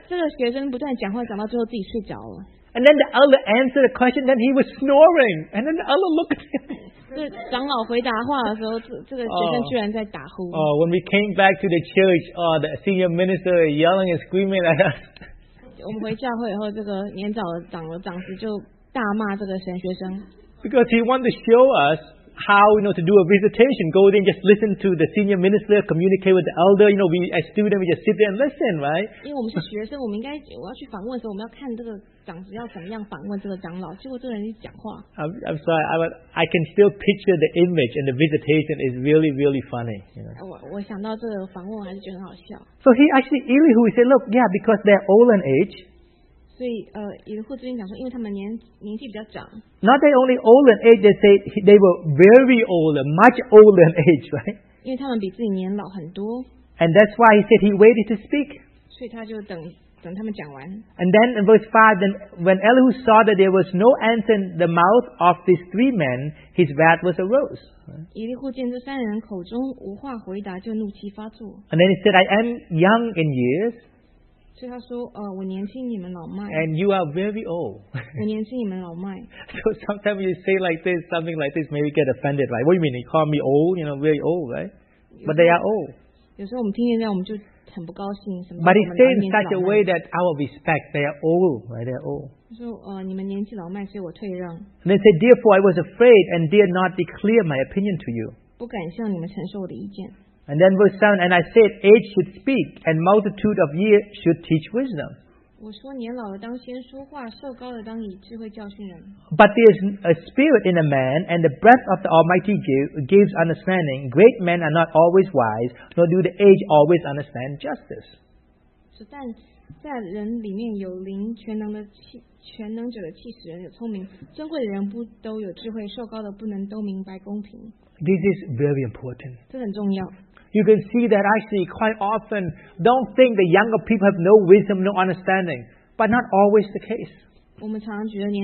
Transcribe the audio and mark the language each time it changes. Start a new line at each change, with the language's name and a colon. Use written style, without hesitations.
Chinese: 这个学生不断讲话，讲到最后自己睡着了。
English: And then the elder answered the question, then he was snoring. And then the elder looked at him.
Chinese: 这长老回答话的时候，这个学生居然在打呼。
English: Oh, when we came back to the church, the senior minister yelling and screaming at us.
Chinese: 我们回教会以后，这个年长的长子就大骂这个神学生。
English: Because he wanted to show us how, you know, to do a visitation. Go there and just listen to the senior minister, communicate with the elder. You know, we as students, we just sit there and listen, right? I'm sorry, I can still picture the image, and the visitation is really, really funny. You know? So he actually, Elihu, he said, look, yeah, because they're old in age.
Chinese: 所以，以户之间讲说，因为他们年纪比较长。
English: Not they only old in age, they say they were very old, much older in age, right?
Chinese: 因为他们比自己年老很多。
English: And that's why he said he waited to speak.
Chinese: 所以他就等他们讲完。
English: And then in verse 5, then when Elihu saw that there was no answer in the mouth of these three men, his wrath was arose.
Chinese: 以户见这三人口中无话回答，就怒气发作。
English: And then he said, I am young in years.
Chinese: 所以他说，我年轻你们老迈。
English: And you are very old.
Chinese: 我年轻你们老迈。
English: So sometimes you say like this, something like this, maybe get offended, right? What do you mean? You call me old? You know, very old, right? But they are old.
Chinese: 有时候我们听见这样，我们就很不高兴，什么？
English: But he said in such a way that out of respect, they are old, right? They are old.
Chinese: 说，你们年纪老迈，所以我退让。
English: And they said, therefore, I was afraid and dared not declare my opinion to you.
Chinese: 不敢向你们陈述我的意见。
English: And then verse 7, and I said, age should speak, and multitude of years should teach wisdom.
Chinese: 我说年老的当先说话，瘦高的当以智慧教训人。
English: But there is a spirit in a man, and the breath of the Almighty gives understanding. Great men are not always wise, nor do the aged always understand justice.
Chinese: 但在人里面有灵全能的气，全能者的气使人有聪明，尊贵的人不都有智慧，瘦高的不能都明白公平。
English: This is very important.
Chinese: 这很重要。
English: You can see that actually quite often, don't think the younger people have no wisdom, no understanding, but not always the case.